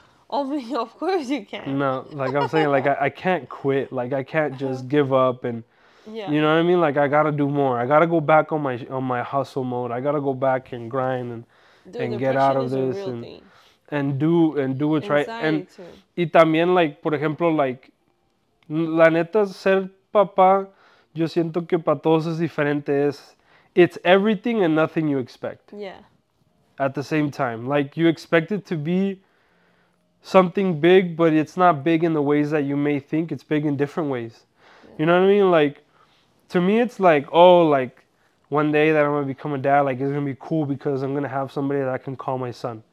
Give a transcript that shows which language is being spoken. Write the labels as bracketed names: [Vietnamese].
[English] Of course you can. No, like, I'm saying, like, I can't quit. Like, I can't just give up and... Yeah. You know what I mean? Like, I gotta do more. I gotta go back on my hustle mode. I gotta go back and grind and get out of this and do what's right. And too. [Spanish] Y también, like, por ejemplo, like, la neta, ser papá, yo siento que para todos es diferente. [English] It's everything and nothing you expect. Yeah. At the same time. Like, you expect it to be something big, but it's not big in the ways that you may think. It's big in different ways. Yeah. You know what I mean? Like, to me, it's like, oh, like, one day that I'm going to become a dad, like, it's going to be cool because I'm going to have somebody that I can call my son.